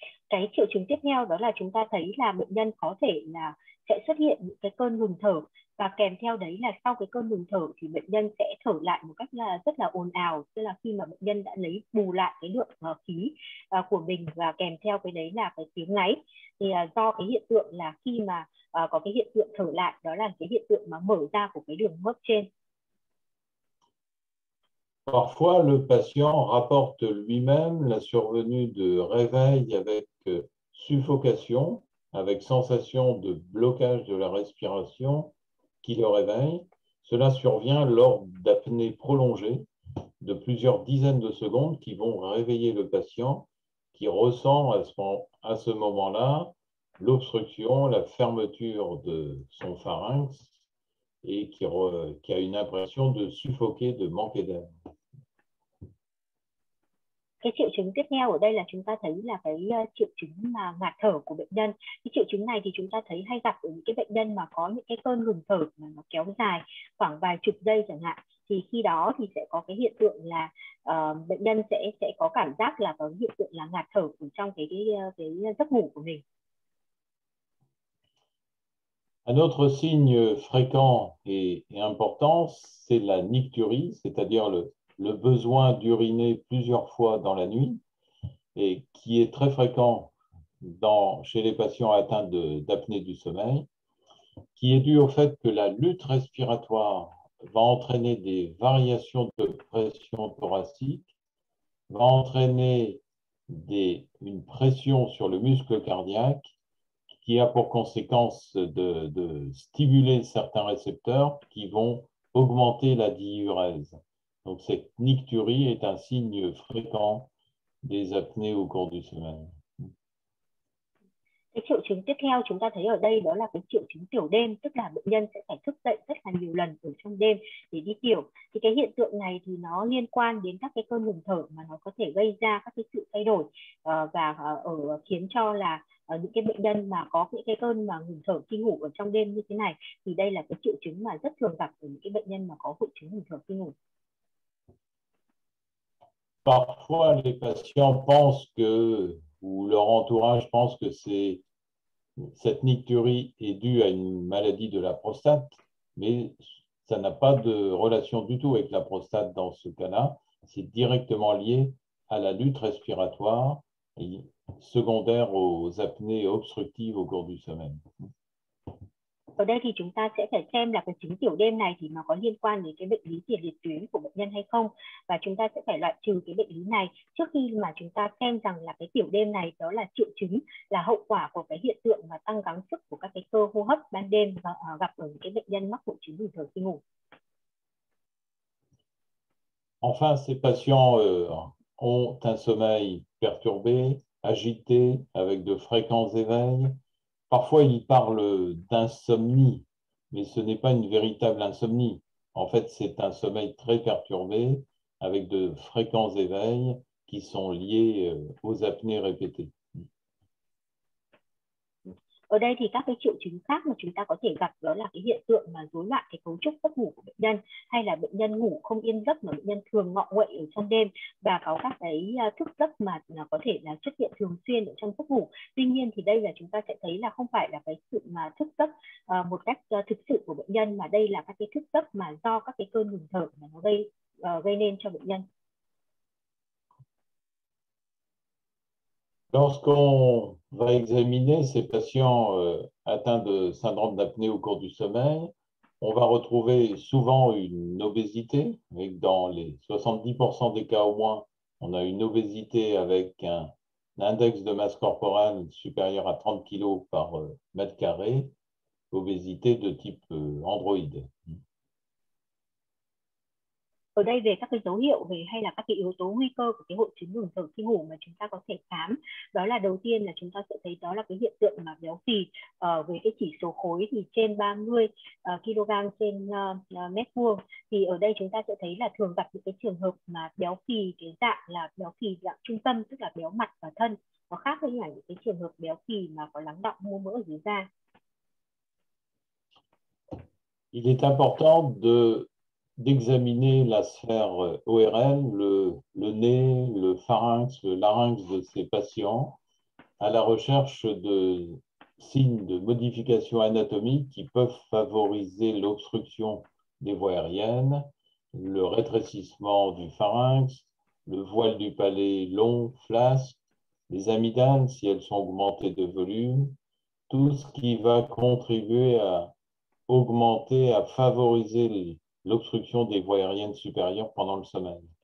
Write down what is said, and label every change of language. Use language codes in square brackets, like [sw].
[vi] Cái triệu chứng tiếp theo đó là chúng ta thấy là bệnh nhân có thể là sẽ xuất hiện những cái cơn ngừng thở, và kèm theo đấy là sau cái cơn ngừng thở thì bệnh nhân sẽ thở lại một cách rất là ồn ào, tức là khi mà bệnh nhân đã lấy bù lại cái lượng khí của mình, và kèm theo cái đấy là cái tiếng ngáy. Thì do cái hiện tượng là khi mà có cái hiện tượng thở lại, đó là cái hiện tượng mà mở ra của cái đường hô hấp trên. [fr] Parfois, le patient rapporte lui-même la survenue de réveil avec suffocation, avec sensation de blocage de la respiration qui le réveille. Cela survient lors d'apnées prolongées de plusieurs dizaines de secondes qui vont réveiller le patient qui ressent à ce moment-là l'obstruction, la fermeture de son pharynx et qui a une impression de suffoquer, de manquer d'air. [vi] Cái triệu chứng tiếp theo ở đây là chúng ta thấy là cái triệu chứng mà ngạt thở của bệnh nhân. Cái triệu chứng này thì chúng ta thấy hay gặp ở những cái bệnh nhân mà có những cái cơn ngừng thở mà nó kéo dài khoảng vài chục giây chẳng hạn. Thì khi đó thì sẽ có cái hiện tượng là bệnh nhân sẽ có cảm giác là có hiện tượng là ngạt thở ở trong cái giấc ngủ của mình. [fr] Un autre signe fréquent et important, c'est la nycturie, c'est-à-dire le besoin d'uriner plusieurs fois dans la nuit et qui est très fréquent chez les patients atteints d'apnée du sommeil, qui est dû au fait que la lutte respiratoire va entraîner des variations de pression thoracique, va entraîner une pression sur le muscle cardiaque qui a pour conséquence de stimuler certains récepteurs qui vont augmenter la diurèse. Donc cette nycturie est un signe fréquent des apnées au cours du sommeil. [vi] Cái triệu chứng tiếp theo chúng ta thấy ở đây đó là cái triệu chứng tiểu đêm, tức là bệnh nhân sẽ phải thức dậy rất là nhiều lần ở trong đêm để đi tiểu. Thì cái hiện tượng này thì nó liên quan đến các cái cơn ngừng thở mà nó có thể gây ra các cái sự thay đổi và khiến cho là những cái bệnh nhân mà có những cái cơn mà ngừng thở khi ngủ ở trong đêm như thế này, thì đây là cái triệu chứng mà rất thường gặp ở những cái bệnh nhân mà có hội chứng ngừng thở khi ngủ. [fr] Parfois les patients pensent que ou leur entourage pense que cette nycturie est due à une maladie de la prostate, mais ça n'a pas de relation du tout avec la prostate dans ce cas-là. C'est directement lié à la lutte respiratoire secondaire aux apnées obstructives au cours du sommeil. [vi] Ở đây thì chúng ta sẽ phải xem là cái chứng tiểu đêm này thì nó có liên quan đến cái bệnh lý tiền liệt tuyến của bệnh nhân hay không, và chúng ta sẽ phải loại trừ cái bệnh lý này trước khi mà chúng ta xem rằng là cái tiểu đêm này đó là triệu chứng, là hậu quả của cái hiện tượng mà tăng gắng sức của các cái cơ hô hấp ban đêm và gặp ở những cái bệnh nhân mắc hội chứng ngừng thở khi ngủ. [fr] Enfin, ces patients ont un sommeil perturbé, agité, avec de fréquents éveils. Parfois, ils parlent d'insomnie, mais ce n'est pas une véritable insomnie. En fait, c'est un sommeil très perturbé, avec de fréquents éveils qui sont liés aux apnées répétées. [vi] Ở đây thì các cái triệu chứng khác mà chúng ta có thể gặp đó là cái hiện tượng mà rối loạn cái cấu trúc giấc ngủ của bệnh nhân, hay là bệnh nhân ngủ không yên giấc mà bệnh nhân thường ngọ nguậy ở trong đêm và có các cái thức giấc mà có thể là xuất hiện thường xuyên ở trong giấc ngủ. Tuy nhiên thì đây là chúng ta sẽ thấy là không phải là cái sự mà thức giấc một cách thực sự của bệnh nhân, mà đây là các cái thức giấc mà do các cái cơn ngừng thở mà nó gây nên cho bệnh nhân. [fr] Lorsqu'on va examiner ces patients atteints de syndrome d'apnée au cours du sommeil, on va retrouver souvent une obésité. Et dans les 70% des cas au moins, on a une obésité avec un index de masse corporelle supérieur à 30 kg par mètre carré, obésité de type androïde. [vi] Ở đây về các cái dấu hiệu về hay là các cái yếu tố nguy cơ của cái hội chứng ngừng thở khi ngủ mà chúng ta có thể khám, đó là đầu tiên là chúng ta sẽ thấy đó là cái hiện tượng mà béo phì với cái chỉ số khối thì trên 30 kg trên mét vuông. Thì ở đây chúng ta sẽ thấy là thường gặp những cái trường hợp mà béo phì cái dạng là béo phì dạng trung tâm, tức là béo mặt và thân, nó khác với những cái trường hợp béo phì mà có lắng đọng mô mỡ ở dưới da. [fr] Il est important d'examiner la sphère ORL, le nez, le pharynx, le larynx de ces patients à la recherche de signes de modification anatomique qui peuvent favoriser l'obstruction des voies aériennes, le rétrécissement du pharynx, le voile du palais long, flasque, les amygdales si elles sont augmentées de volume, tout ce qui va contribuer à augmenter, à favoriser l'obstruction des voies aériennes supérieures pendant le sommeil.